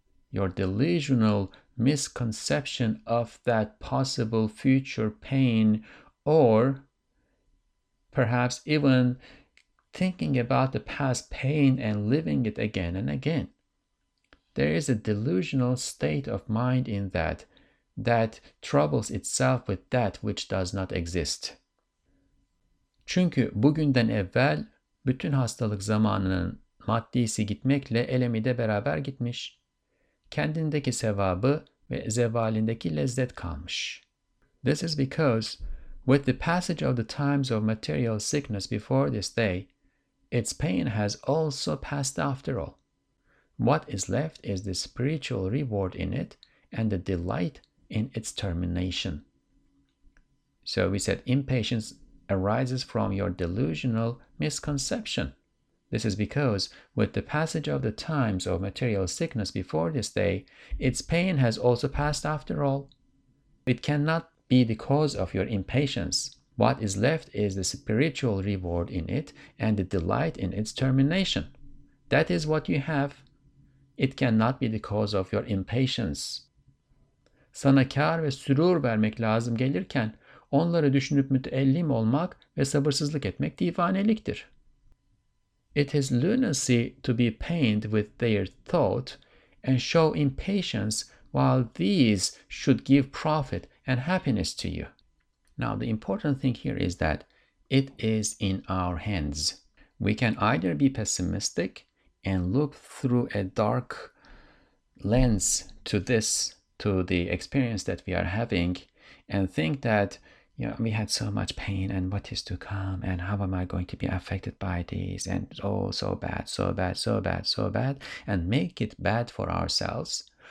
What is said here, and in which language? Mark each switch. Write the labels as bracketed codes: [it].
[en] Your delusional misconception of that possible future pain, or perhaps even thinking about the past pain and living it again and again. There is a delusional state of mind in that, that troubles itself with that which does not exist. [tr] Çünkü bugünden evvel bütün hastalık zamanının maddisi gitmekle elemi de beraber gitmiş. Kendindeki sevabı ve zevalindeki lezzet kalmış. [en] This is because with the passage of the times of material sickness before this day, its pain has also passed after all. What is left is the spiritual reward in it and the delight in its termination. So we said impatience arises from your delusional misconception. This is because with the passage of the times of material sickness before this day, its pain has also passed after all. It cannot be the cause of your impatience. What is left is the spiritual reward in it and the delight in its termination. That is what you have. It cannot be the cause of your impatience. [tr] Sana kâr ve sürur vermek lazım gelirken, onları düşünüp müteellim olmak ve sabırsızlık etmek divaneliktir. [en] It is lunacy to be pained with their thought and show impatience while these should give profit and happiness to you. Now, the important thing here is that it is in our hands. We can either be pessimistic and look through a dark lens to this, to the experience that we are having, and think that, you know, we had so much pain and what is to come and how am I going to be affected by these and oh, so bad, so bad, so bad, so bad, and make it bad for ourselves.